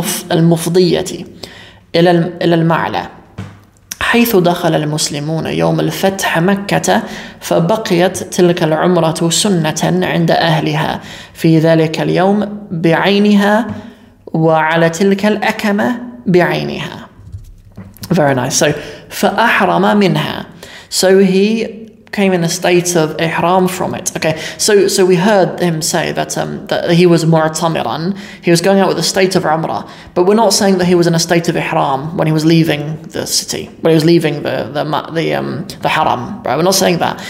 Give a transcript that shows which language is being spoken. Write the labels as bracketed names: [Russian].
[Arabic] al-mufdiyati ila al-ma'la حيث دخل المسلمون يوم الفتح مكة فبقيت تلك العمرة سنة عند أهلها في ذلك اليوم بعينها وعلى تلك الأكمة بعينها. [English] Very nice. So [Arabic] فأحرم منها. [English] So he came in a state of ihram from it. Okay. So we heard him say that that he was mu'tamiran. He was going out with a state of umrah. But we're not saying that he was in a state of ihram when he was leaving the city, when he was leaving the haram, right? We're not saying that.